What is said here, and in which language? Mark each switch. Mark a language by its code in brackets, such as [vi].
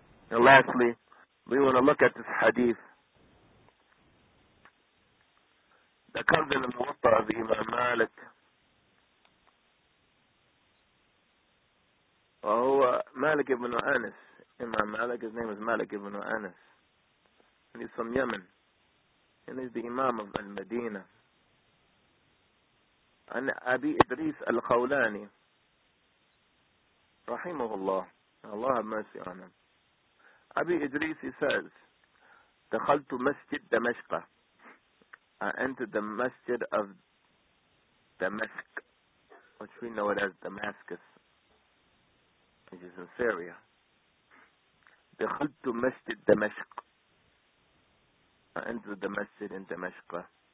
[en] And lastly, we want to look at this hadith that comes in the Muwatta of Imam Malik. وَهُوَ Malik ibn Anas. Imam Malik, his name is Malik ibn Anas. And he's from Yemen. And he's the Imam of Al-Madinah. [ar] عن أبي إدريس الخولاني رحمه الله. [en] الله have mercy on him. [ar] أبي إدريس, [en] he says, [ar] دخلت مسجد دمشق. [en] I entered the masjid of Damascus. which we know it as Damascus, which is in Syria. [ar] دخلت مسجد دمشق. فأنت دمسجد in دمشق.